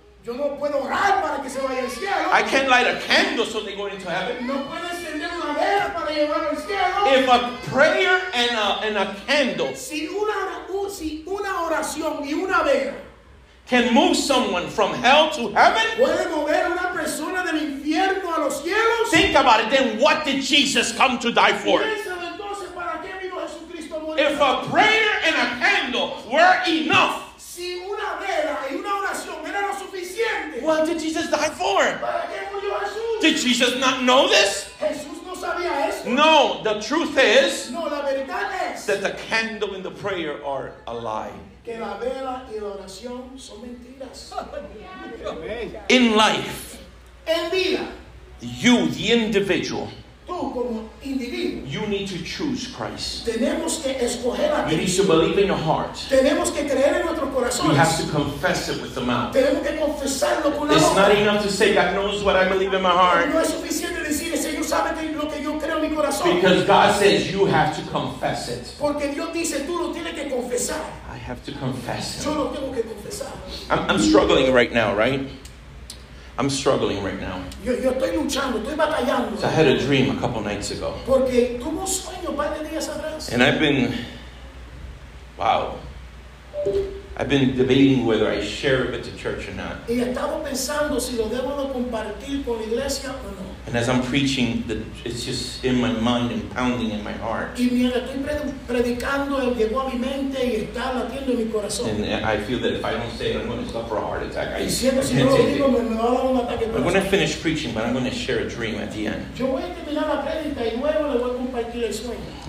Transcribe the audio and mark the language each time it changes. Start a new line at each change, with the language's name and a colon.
Spanish: Yo no puedo orar para que se vaya al cielo.
English: I can't light a candle so they go into heaven.
Spanish: No puedo encender una vela para llevar al cielo.
English: If a prayer and a candle
Spanish: si una oración y una vela
English: can move someone from hell to heaven,
Spanish: puede mover una persona del infierno a los cielos.
English: Think about it. Then what did Jesus come to die for? If a prayer and a candle were enough,
Spanish: si una vela y una oración era lo suficiente,
English: what did Jesus die for? Did Jesus not know this?
Spanish: Jesús no sabía esto.
English: No, the truth is
Spanish: no, la verdad es
English: that the candle and the prayer are a lie.
Spanish: Que la vela y la oración son mentiras.
English: In life,
Spanish: en vida,
English: you, the individual,
Spanish: tú como individuo,
English: you need to choose Christ.
Spanish: Tenemos que escoger a
English: you need to believe in your heart.
Spanish: Tenemos que creer en nuestros corazones.
English: You have to confess it with the mouth.
Spanish: Tenemos que confesarlo con la
English: it's
Spanish: boca.
English: Not enough to say God knows what I believe in my heart.
Spanish: No es suficiente decir, Señor sabe lo que yo creo en mi corazón.
English: Because God says you have to confess it.
Spanish: Porque Dios dice, tú lo tienes que confesar.
English: I have to confess it.
Spanish: Yo lo tengo que confesar.
English: I'm struggling right now, right? I'm struggling right now.
Spanish: Yo estoy luchando, estoy batallando.
English: So I had a dream a couple nights ago.
Spanish: Porque tuvo sueño par de días atrás.
English: And I've been, wow. I've been debating whether I share it with the church or not.
Spanish: Y estaba pensando si lo debo de compartir con la iglesia o no.
English: And as I'm preaching, it's just in my mind and pounding in my heart.
Spanish: Y mientras estoy predicando, llegó a mi mente y está latiendo mi corazón.
English: And I feel that if I don't say it, I'm going to suffer a heart attack.
Spanish: Y siento si no lo digo, me va a dar un ataque.
English: I'm going to finish preaching, but I'm going to share a dream at the end.
Spanish: Yo voy a terminar la predica y luego le voy a compartir el sueño.